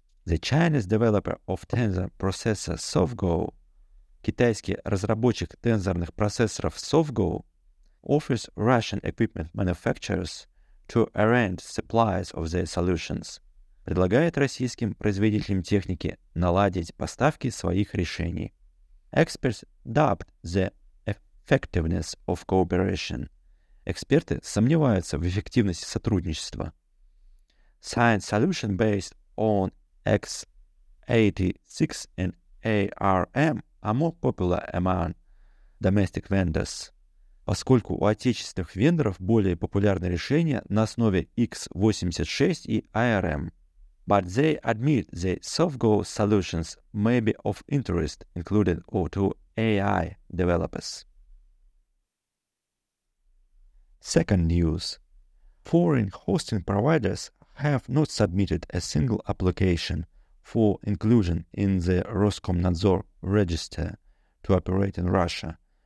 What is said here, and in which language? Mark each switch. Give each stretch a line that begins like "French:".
English: The Chinese developer of Tensor processor SoftGo,
Russian: китайский разработчик тензорных процессоров SoftGo,
English: offers Russian equipment manufacturers to arrange supplies of their solutions,
Russian: предлагает российским производителям техники наладить поставки своих решений.
English: Experts doubt the effectiveness of cooperation.
Russian: Эксперты сомневаются в эффективности сотрудничества.
English: Science solution based on x86 and ARM are more popular among domestic vendors.
Russian: Поскольку у отечественных вендоров более популярны решения на основе x86 и ARM.
English: But they admit the SoftGo solutions may be of interest, including to AI developers. Second news. Foreign hosting providers have not submitted a single application for inclusion in the Roskomnadzor register to operate in Russia.